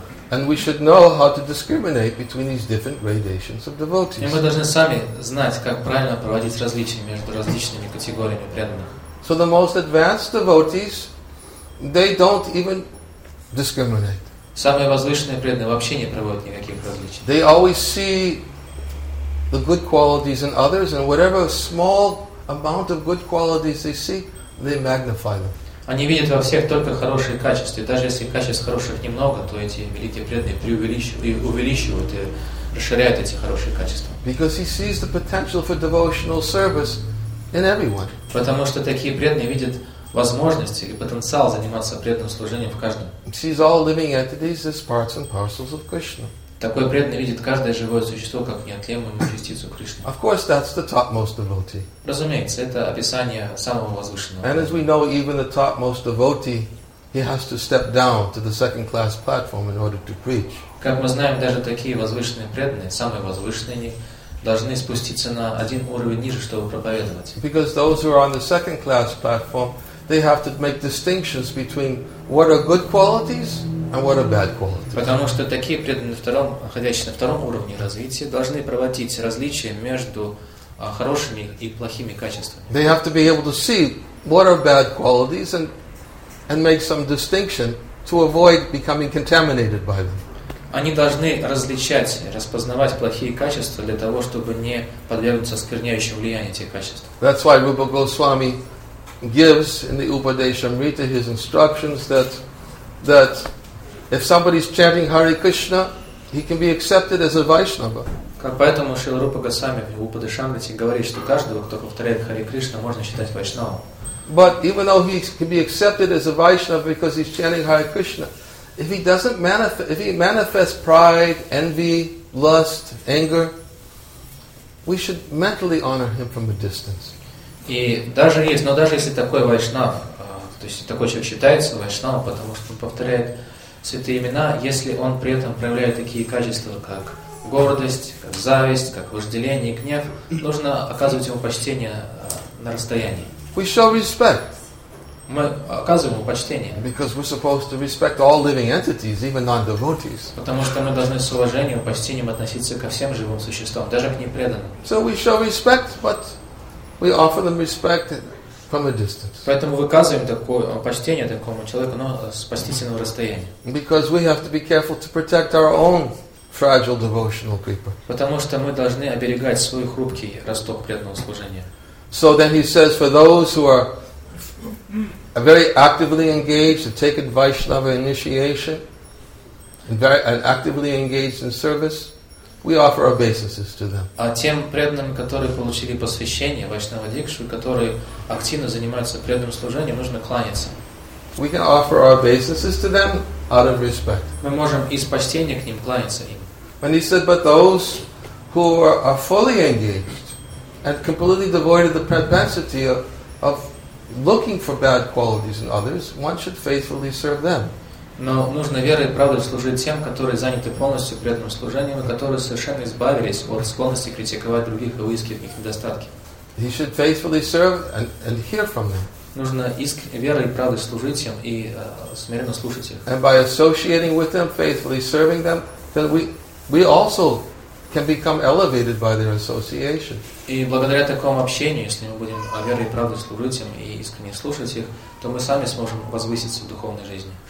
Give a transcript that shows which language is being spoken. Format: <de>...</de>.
<en>And we should know how to discriminate between these different gradations of devotees. So the most advanced devotees, they don't even discriminate.</en> <ru>Самые возвышенные преданные вообще не проводят никаких различий.</ru> <en>They always see the good qualities in others, and whatever small amount of good qualities they see, they magnify them.</en> <ru>Они видят во всех только хорошие качества, и даже если качеств хороших немного, то эти великие преданные преувеличивают и расширяют эти хорошие качества.</ru> <en>Because he sees the potential for devotional service in everyone.</en> <ru>Потому что такие преданные видят возможности и потенциал заниматься преданным служением в каждом.</ru> <en>Sees all living entities as parts and parcels of Krishna.</en> <ru>Такой преданный видит каждое живое существо как неотъемлемую частицу Кришны.</ru> <en>Of course, that's the topmost devotee.</en> <ru>Разумеется, это описание самого возвышенного.</ru> <en>And as we know, even the topmost devotee, he has to step down to the second class platform in order to preach.</en> <ru>Как мы знаем, даже такие возвышенные преданные, самые возвышенные, должны спуститься на один уровень ниже, чтобы проповедовать.</ru> <en>Because those who are on the second class platform, they have to make distinctions between what are good qualities and what are bad qualities.</en> <ru>Потому что такие преданные находящие на втором уровне развития должны проводить различия между хорошими и плохими качествами.</ru> <en>They have to be able to see what are bad qualities and make some distinction to avoid becoming contaminated by them.</en> <ru>Они должны различать, распознавать плохие качества для того, чтобы не подвергнуться оскверняющему влиянию этих качеств.</ru> <en>That's why Rupa Goswami gives in the Upadeshamrita his instructions that if somebody is chanting Hare Krishna, he can be accepted as a Vaishnava.</en> <ru>Как поэтому Шрила Рупа Госвами в Упадешамрите говорит, что каждого, кто повторяет Хари Кришна, можно считать Вайшнавом.</ru> <en>But even though he can be accepted as a Vaishnava because he's chanting Hare Krishna, if he doesn't manifest pride, envy, lust, anger, we should mentally honor him from a distance.</en> <ru>И даже есть, но даже если такой вайшнав, то есть такой человек считается вайшнавом, потому что он повторяет святые имена, если он при этом проявляет такие качества, как гордость, как зависть, как вожделение и гнев, нужно оказывать ему почтение на расстоянии.</ru> <en>We show respect.</en> <ru>Мы оказываем ему почтение.</ru> <en>Because we're supposed to respect all living entities, even non-devotees.</en> <ru>Потому что мы должны с уважением и почтением относиться ко всем живым существам, даже к непреданным.</ru> <en>So we show respect, but we offer them respect from a distance.</en> <ru>Поэтому выказываем такое почтение такому человеку, но с почтительного расстояния.</ru> <en>Because we have to be careful to protect our own fragile devotional creeper.</en> <ru>Потому что мы должны оберегать свой хрупкий росток преданного служения.</ru> <en>So then he says, for those who are very actively engaged and take Vaishnava initiation and actively engaged in service, we offer obeisances to them.</en> <ru>А тем преданным, которые получили посвящение вайшнава дикшу, которые активно занимаются преданным служением, нужно кланяться.</ru> <en>We can offer our obeisances to them out of respect.</en> <ru>Мы можем из почтения к ним кланяться им.</ru> <en>And he said, but those who are fully engaged and completely devoid of the propensity of looking for bad qualities in others, one should faithfully serve them.</en> <ru>Но нужно верой и правдой служить тем, которые заняты полностью преданным служением и которые совершенно избавились от склонности критиковать других и выискивать их недостатки.</ru> <en>He should faithfully serve and hear from them.</en> <ru>Нужно верой и правдой служить им и смиренно слушать их.</ru> <en>And by associating with them, faithfully serving them, then we also can become elevated by their association.</en> <ru>И благодаря такому общению, если мы будем верой и правдой служить им и искренне слушать их, то мы сами сможем возвыситься в духовной жизни.</ru>